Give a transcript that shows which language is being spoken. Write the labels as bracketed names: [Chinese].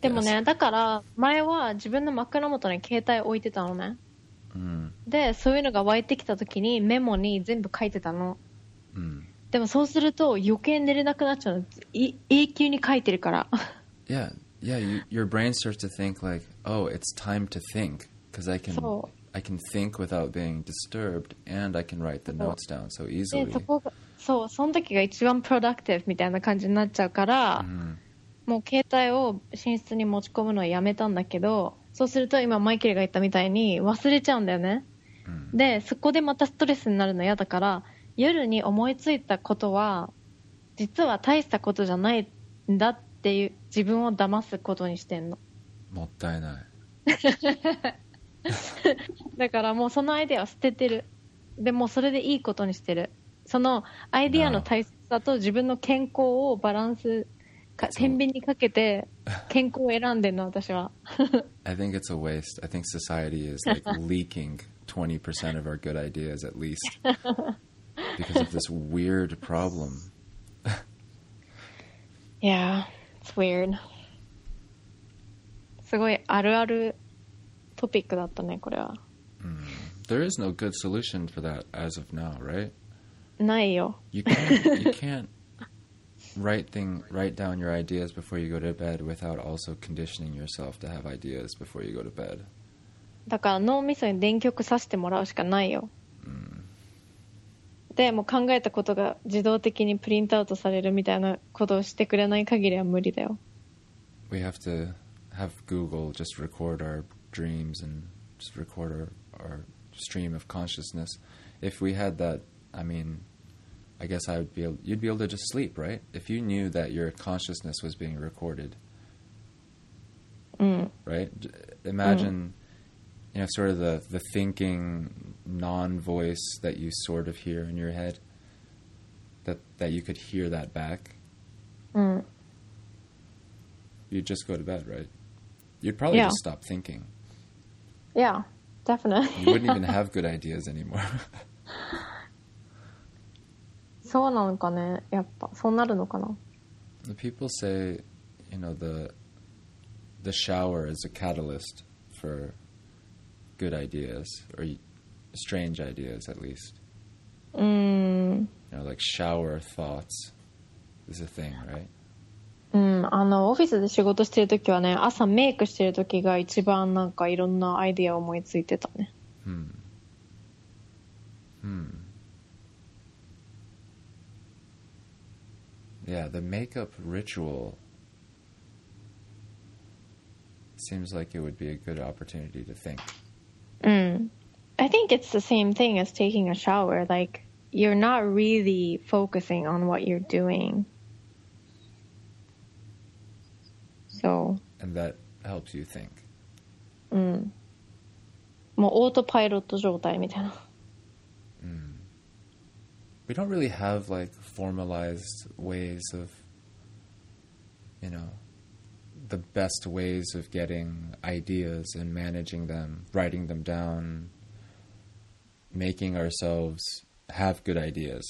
[Japanese] でもね、だから前は自分の枕元に携帯置いてたのね。で、そういうのが湧いてきた時にメモに全部書いてたの。でもそうすると余計寝れなくなっちゃうの。永久に書いてるから。 [English] Yeah, yeah. Your brain starts to think like, oh, it's time to think because I can think without being disturbed and I can write the notes down so easily. [Japanese] そこが、そう、その時が一番プロダクティブみたいな感じになっちゃうから、もう携帯を寝室に持ち込むのはやめたんだけど、そうすると今マイケルが言ったみたいに忘れちゃうんだよね。で、そこでまたストレスになるの嫌だから。夜に思いついたことは実は大したことじゃないんだっていう自分を騙すことにしてんの。もったいない。だからもうそのアイデアを捨ててる。でもそれでいいことにしてる。そのアイデアの大切さと自分の健康をバランス、天秤にかけて健康を選んでんの私は。 [English] I think it's a waste. I think society is like leaking 20% of our good ideas at least. Because of this weird problem. Yeah, it's weird. [Japanese] すごいあるあるトピックだったね、これは。 [English] There is no good solution for that as of now, right? [Japanese] ないよ。 [English] You can't write down your ideas before you go to bed without also conditioning yourself to have ideas before you go to bed. [Japanese] だから脳みそに電極刺してもらうしかないよ。でも考えたことが自動的にプリントアウトされるみたいなことをしてくれない限りは無理だよ。 [English] We have to have Google just record our dreams and just record our stream of consciousness. If we had that, I mean, I guess I would be able, you'd be able to just sleep, right? If you knew that your consciousness was being recorded. Right? Imagine, you know, sort of the thinking non-voice that you sort of hear in your head, that you could hear that back. You'd just go to bed, right? You'd probably just stop thinking. Yeah, definitely. You wouldn't even have good ideas anymore. [Japanese] そうなのかね、やっぱそうなるのかな。 [English] The people say, you know, the shower is a catalyst for good ideas, or strange ideas at least. You know, like shower thoughts is a thing, right? [Japanese] オフィスで仕事してるときはね、朝メイクしてるときが一番なんかいろんなアイディア思いついてたね。 [English] Yeah, the makeup ritual seems like it would be a good opportunity to think. I think it's the same thing as taking a shower. Like, you're not really focusing on what you're doing. So. And that helps you think. [Japanese] もうオートパイロット状態みたいな。 [English] We don't really have like formalized ways of, you know, the best ways of getting ideas and managing them, writing them down, making ourselves have good ideas.